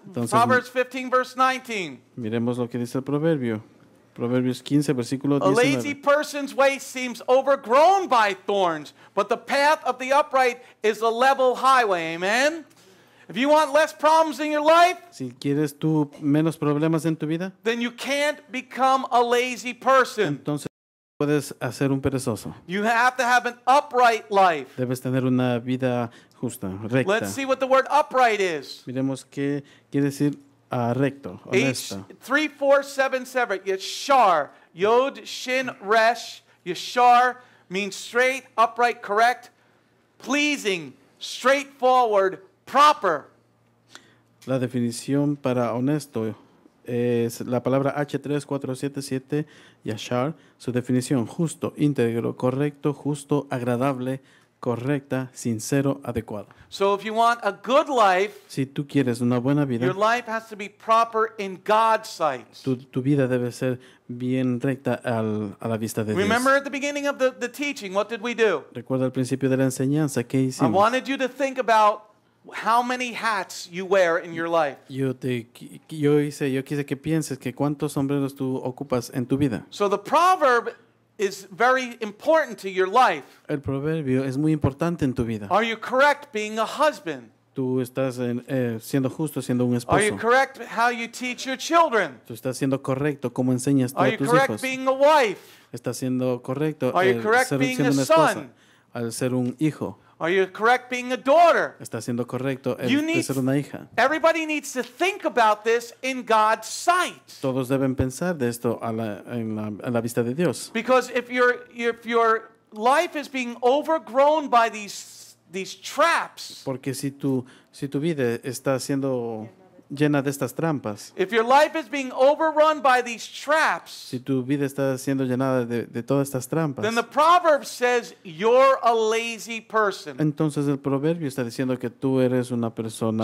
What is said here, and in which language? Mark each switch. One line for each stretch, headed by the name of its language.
Spanish: Entonces,
English: Proverbs 15, verse 19.
Spanish: Miremos lo que dice el proverbio. Proverbios 15, versículo
English: 19. A lazy person's way seems overgrown by thorns, but the path of the upright is a level highway. Amen? If you want less problems in your life,
Spanish: si quieres tú menos problemas en tu vida,
English: then you can't become a lazy person.
Spanish: Entonces puedes hacer un perezoso.
English: You have to have an upright life.
Spanish: Debes tener una vida justa, recta.
English: Let's see what the word upright is.
Spanish: Miremos qué quiere decir recto, honesto.
English: 3, 4, 7, 7. Yeshar, yod, shin, resh. Yeshar means straight, upright, correct, pleasing, straightforward, proper.
Spanish: La definición para honesto es la palabra H3477, Yashar. Su definición, justo, íntegro, correcto, justo, agradable, correcta, sincero, adecuado.
English: So if you want a good life,
Spanish: si tú quieres una buena vida,
English: your life has to be proper in God's sight.
Spanish: Tu vida debe ser bien recta a la vista de Dios.
English: Remember at the beginning of the teaching, what did we do?
Spanish: Recuerda al principio de la enseñanza, ¿qué hicimos?
English: I wanted you to think about how many hats you wear in your life.
Spanish: Yo quise que pienses que cuántos sombreros tú ocupas en tu vida.
English: So the proverb is very important to your life.
Spanish: El proverbio es muy importante en tu vida.
English: Are you correct being a husband?
Spanish: Tú estás siendo justo siendo un esposo.
English: Are you correct how you teach your children?
Spanish: Tú estás siendo correcto cómo enseñas a tus hijos.
English: Are you correct being a wife?
Spanish: Estás siendo correcto al ser siendo una esposa, al ser un hijo.
English: Are you correct being a daughter?
Spanish: Está siendo correcto el ser una hija.
English: Everybody needs to think about this in God's sight.
Spanish: Todos deben pensar de esto a la vista de Dios.
English: Because if your life is being overgrown by these traps.
Spanish: Porque si tu vida está siendo llena de estas trampas.
English: If your life is being overrun by these traps,
Spanish: si tu vida está siendo llenada de todas estas trampas,
English: then the proverb says you're a lazy person.
Spanish: Entonces el proverbio está diciendo que tú eres una persona.